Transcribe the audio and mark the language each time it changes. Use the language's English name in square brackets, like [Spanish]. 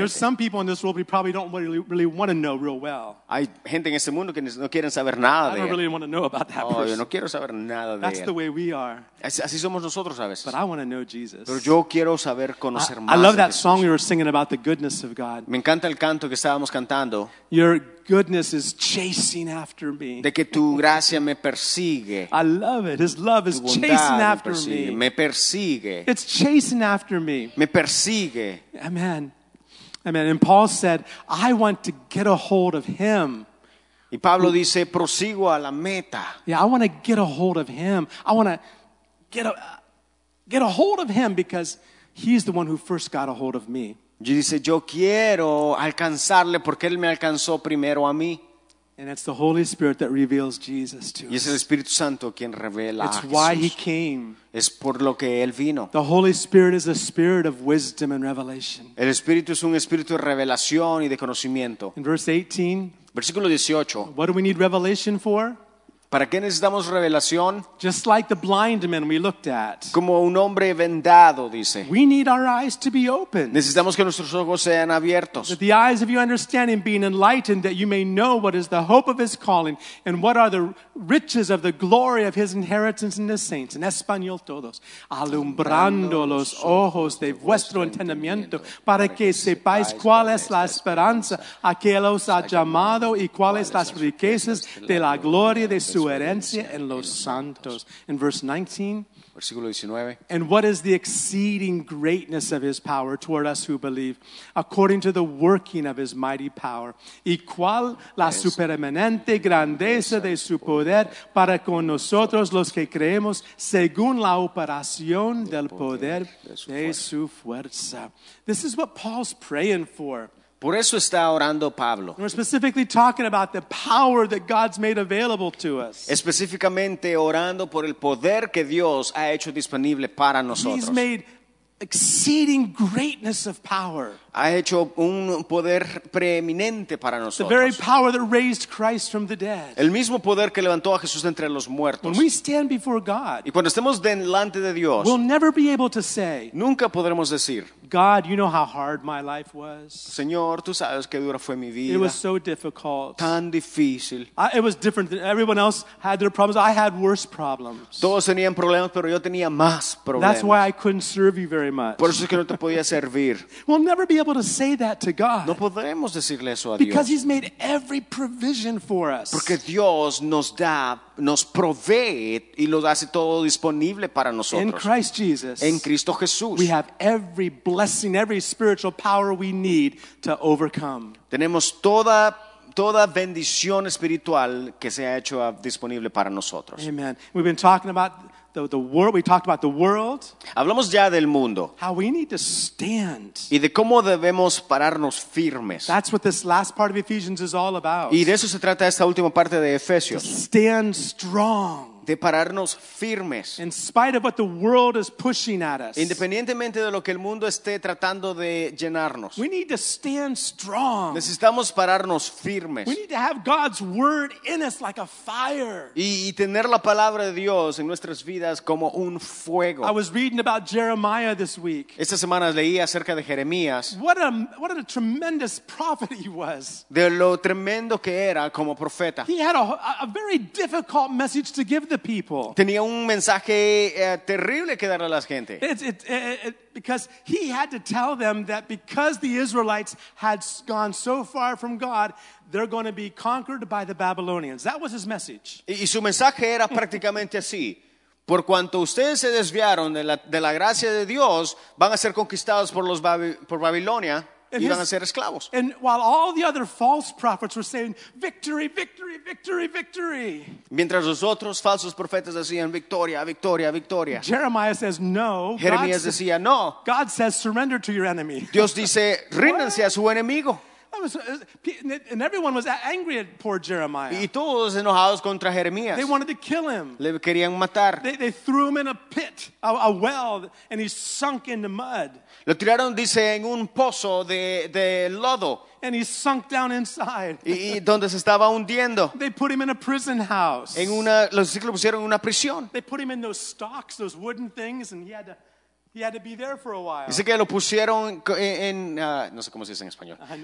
[English] There's some people in this world who probably don't really want to know real well. [Spanish] Hay gente en este mundo que no quieren saber nada de él. [English] I don't really want to know about that person. [Spanish] Yo no quiero saber nada de él. [English] That's the way we are. [Spanish] Así somos nosotros a veces. [English] But I want to know Jesus. [Spanish] Pero yo quiero saber conocer más. [English] I love that song you were singing about the goodness of God. [Spanish] Me encanta el canto que estábamos cantando. [English] Your goodness is chasing after me. [Spanish] De que tu gracia me persigue. [English] I love it. His love is chasing after me. [Spanish] Me persigue. [English] It's chasing after me. [Spanish] Me persigue. [English] Amen. Amen. And Paul said, I want to get a hold of him. [Spanish] Y Pablo dice, prosigo a la meta. [English] Yeah, I want to get a hold of him. I want to get a hold of him because he's the one who first got a hold of me. [Spanish] Y dice, yo quiero alcanzarle porque él me alcanzó primero a mí. [English] And it's the Holy Spirit that reveals Jesus to [Spanish] y es el Espíritu Santo quien revela [English] it's [Spanish] a Jesús. [English] Why he came. [Spanish] Es por lo que él vino. [English] The Holy Spirit is a spirit of wisdom and revelation. [Spanish] El Espíritu es un espíritu de revelación y de conocimiento. [English] In verse 18, [Spanish] versículo 18. [English] What do we need revelation for? [Spanish] ¿Para qué necesitamos revelación? [English] Just like the blind man we looked at. [Spanish] Como un hombre vendado, dice. [English] We need our eyes to be open. [Spanish] Necesitamos que nuestros ojos sean abiertos. [English] That the eyes of your understanding being enlightened, that you may know what is the hope of his calling, and what are the riches of the glory of his inheritance in the saints. [Spanish] En español todos. Alumbrando los ojos de vuestro entendimiento, para que sepáis cuál es la esperanza a que él os ha llamado, y cuáles las riquezas de la gloria de su herencia en los santos. [English] In verse 19, [Spanish] versículo 19. [English] And what is the exceeding greatness of his power toward us who believe, according to the working of his mighty power? [Spanish] Y cuál la supereminente grandeza de su poder para con nosotros los que creemos, según la operación del poder de su fuerza. [English] This is what Paul's praying for. [Spanish] Por eso está orando Pablo. [English] We're specifically talking about the power that God's made available to us. [Spanish] Específicamente orando por el poder que Dios ha hecho disponible para nosotros. [English] He's made exceeding greatness of power. [Spanish] Ha hecho un poder preeminente para nosotros. [English] The very power that raised Christ from the dead. [Spanish] El mismo poder que levantó a Jesús entre los muertos. [English] When we stand before God, [Spanish] y cuando estemos delante de Dios, [English] we'll never be able to say, [Spanish] nunca podremos decir, [English] God, you know how hard my life was. [Spanish] Señor, tú sabes qué dura fue mi vida. [English] It was so difficult. [Spanish] Tan difícil. [English] It was different than everyone else had their problems. I had worse problems. [Spanish] Todos tenían problemas, pero yo tenía más problemas. [English] That's why I couldn't serve you very much. [Spanish] Por eso es que no te podía servir. [English] We'll never be able to say that to God. [Spanish] No podremos decirle eso a Dios. [English] Because he's made every provision for us. [Spanish] Porque Dios nos da, nos provee y lo hace todo disponible para nosotros. [English] In Christ Jesus, [Spanish] en Cristo Jesús, [English] we have every blessing, every spiritual power we need to overcome. [Spanish] Tenemos toda bendición espiritual que se ha hecho disponible para nosotros. [English] Amen. We've been talking about the world. We talked about the world. [Spanish] Hablamos ya del mundo. [English] How we need to stand. [Spanish] Y de cómo debemos pararnos firmes. [English] That's what this last part of Ephesians is all about. [Spanish] Y de eso se trata esta última parte de Efesios. [English] To stand strong. [Spanish] De pararnos firmes. [English] In spite of what the world is pushing at us. [Spanish] Independientemente de lo que el mundo esté tratando de llenarnos. [English] We need to stand strong. [Spanish] Necesitamos pararnos firmes. [English] We need to have God's word in us like a fire. [Spanish] Y tener la palabra de Dios en nuestras vidas como un fuego. [English] I was reading about Jeremiah this week. [Spanish] Esta semana leí acerca de Jeremías. [English] What a tremendous prophet he was. [Spanish] De lo tremendo que era como profeta. [English] He had a very difficult message to give the people. [Spanish] Tenía un mensaje terrible que darle a la gente. [English] Because he had to tell them that because the Israelites had gone so far from God, they're going to be conquered by the Babylonians. That was his message. [Spanish] Y su mensaje era prácticamente así. Por cuanto ustedes se desviaron de la gracia de Dios, van a ser conquistados por Babilonia. [English] And while all the other false prophets were saying victory, victory, victory, victory, [Spanish] mientras los otros falsos profetas decían victoria, victoria, victoria, [English] Jeremiah says no. [Spanish] Jeremías decía no. [English] God says surrender to your enemy. [Spanish] Dios dice ríndanse a su enemigo. [English] And everyone was angry at poor Jeremiah. [Spanish] Y todos enojados contra Jeremías. [English] They wanted to kill him. [Spanish] Le querían matar. [English] They threw him in a pit, a well, and he sunk in the mud. [Spanish] Lo tiraron, dice, en un pozo de lodo. [English] And he sunk down inside. [Spanish] Y donde se estaba hundiendo. [English] They put him in a prison house. [Spanish] En una, los lo pusieron en una prisión. [English] They put him in those stocks, those wooden things, and he had to. He had to be there for a while. [Spanish] Dice que lo pusieron en no sé cómo se dice en español.